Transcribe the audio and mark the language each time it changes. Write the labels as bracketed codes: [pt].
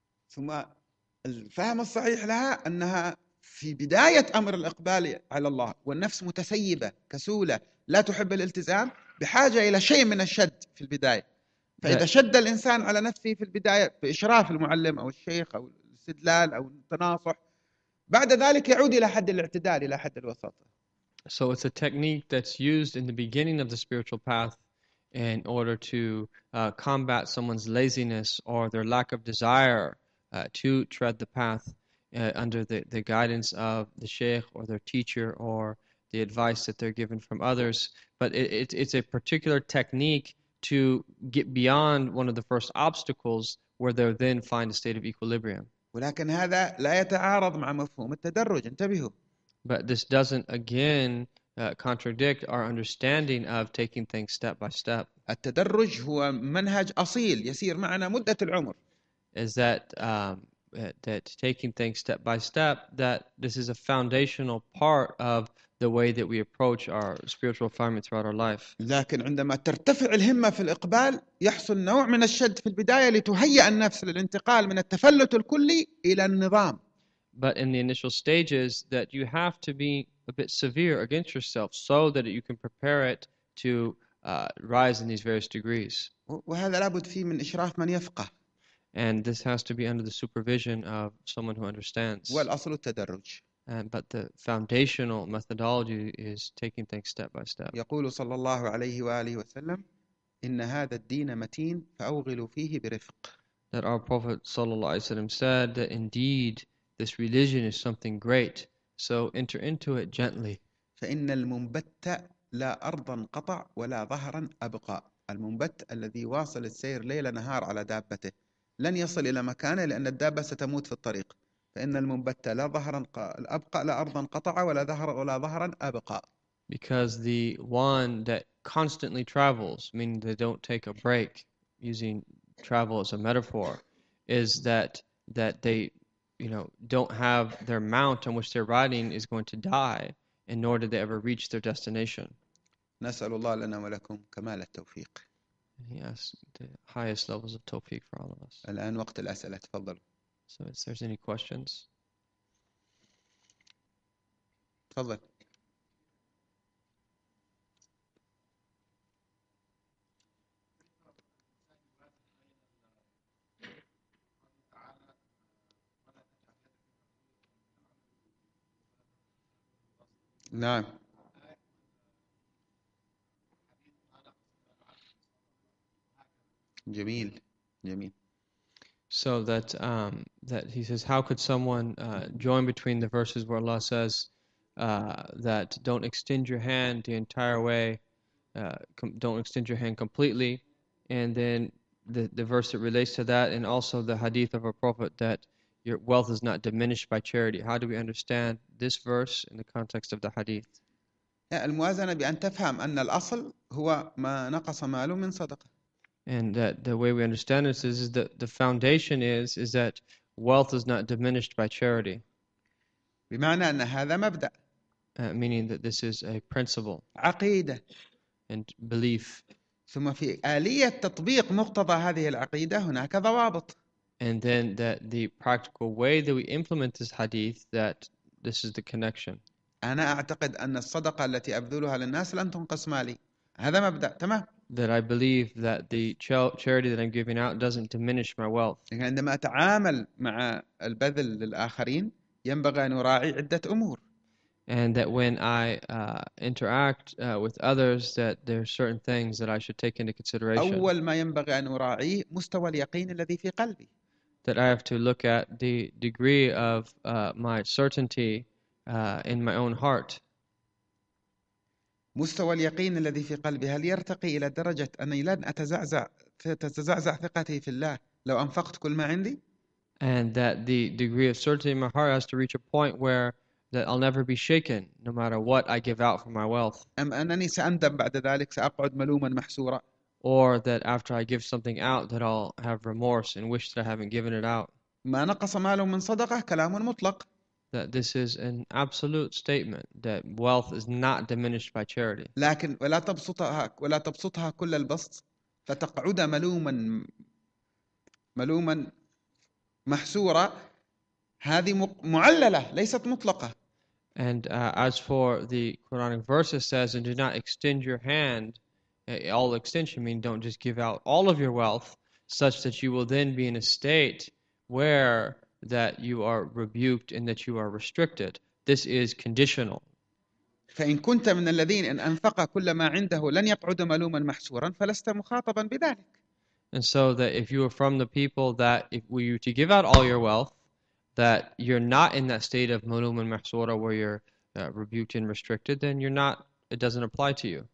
[ar] ثم الفهم الصحيح لها أنها في بداية أمر الإقبال على الله والنفس متسيبة كسولة لا تحب الالتزام بحاجة إلى شيء من الشد في البداية. فإذا شد الإنسان على نفسه في البداية بإشراف المعلم أو الشيخ أو الاستدلال أو التناصح، بعد ذلك يعود إلى حد الاعتدال، إلى حد الوساطة. [en] So it's a technique that's used in the beginning of the spiritual path in order to combat someone's laziness or their lack of desire to tread the path under the guidance of the sheikh or their teacher or the advice that they're given from others. But it's a particular technique to get beyond one of the first obstacles where they then find a state of equilibrium. [ar] ولكن هذا لا يتعارض مع مفهوم التدرج، انتبهوا. [en] But this doesn't again contradict our understanding of taking things step by step. [ar] التدرج هو منهج أصيل يسير معنا مدة العمر. [en] Is that that taking things step by step, that this is a foundational part of the way that we approach our spiritual firmament throughout our life. [ar] لكن عندما ترتفع الهمة في الإقبال يحصل نوع من الشد في البداية لتهيئ النفس للانتقال من التفلت الكلي إلى النظام. [en] But in the initial stages that you have to be a bit severe against yourself so that you can prepare it to rise in these various degrees. [ar] وهذا لابد فيه من إشراف من يفقه. [en] And this has to be under the supervision of someone who understands. [ar] والأصل التدرج. [en] But the foundational methodology is taking things step by step. [ar] يقول صلى الله عليه وآله وسلم إن هذا الدين متين فأوغل فيه برفق. [en] That our Prophet [ar] صلى الله عليه وسلم [en] said that indeed this religion is something great, so enter into it gently. [ar] فإن المنبت لا أرضا قطع ولا ظهرا أبقى. المنبت الذي واصل السير ليل نهار على دابته لن يصل إلى مكانه، لأن الدابة ستموت في الطريق. فإن المنبت لا ظهرا أبقى، لا أرضا قطع ولا ظهر ولا ظهرا أبقى. [en] Because the one that constantly travels, meaning they don't take a break, using travel as a metaphor, is that they, don't have their mount on which they're riding is going to die, and nor did they ever reach their destination. [ar] نسأل الله لنا ولكم كمال التوفيق. [en] And he asks the highest levels of tawfiq for all of us. [ar] الآن وقت الأسئلة، تفضلوا. [en] So if there's any questions. [ar] تفضل. نعم. جميل جميل. [en] So that that he says, how could someone join between the verses where Allah says that don't extend your hand the entire way, don't extend your hand completely, and then the verse that relates to that, and also the hadith of a prophet that your wealth is not diminished by charity. How do we understand this verse in the context of the hadith? [ar] الموازنة بأن تفهم أن الأصل هو ما نقص مال من صدقة. [en] And that the way we understand this is that the foundation is that wealth is not diminished by charity. [ar] بمعنى أن هذا مبدأ، [en] Meaning that this is a principle [ar] عقيدة، [en] and belief. [ar] ثم في آلية تطبيق مقتضى هذه العقيدة هناك ضوابط. [en] And then that the practical way that we implement this hadith, that this is the connection. [ar] أنا أعتقد أن الصدقة التي أبذلها للناس لن تنقص مالي. هذا مبدأ، تمام؟ [en] That I believe that the charity that I'm giving out doesn't diminish my wealth. [ar] عندما أتعامل مع البذل للآخرين ينبغي أن أراعي عدة أمور. [en] And that when I interact with others, that there are certain things that I should take into consideration. [ar] أول ما ينبغي أن أراعيه مستوى اليقين الذي في قلبي. [en] That I have to look at the degree of my certainty in my own heart. [ar] مستوى اليقين الذي في قلبي هل يرتقي إلى درجة أني لن تتزعزع ثقتي في الله لو أنفقت كل ما عندي؟ [en] And that the degree of certainty in my heart has to reach a point where that I'll never be shaken no matter what I give out for my wealth. [ar] أم أنني سأندم بعد ذلك سأقعد ملوما محسورا؟ [en] Or that after I give something out that I'll have remorse and wish that I haven't given it out. [ar] ما نقص مال من صدقة كلام مطلق. [en] That this is an absolute statement that wealth is not diminished by charity. [ar] لكن ولا تبسطها كل البسط فتقعد ملوما محسورة، هذه معللة ليست مطلقة. [en] And as for the Quranic verse it says, and do not extend your hand, all extension means don't just give out all of your wealth, such that you will then be in a state where that you are rebuked and that you are restricted. This is conditional. [ar] فإن كنت من الذين إن أنفق كل ما عنده لن يقعد ملوما محسورا فلست مخاطبا بذلك. [en] And so that if you are from the people that if were you to give out all your wealth, that you're not in that state of [ar] ملوم محسورة [en] where you're rebuked and restricted, then you're not, it doesn't apply to you.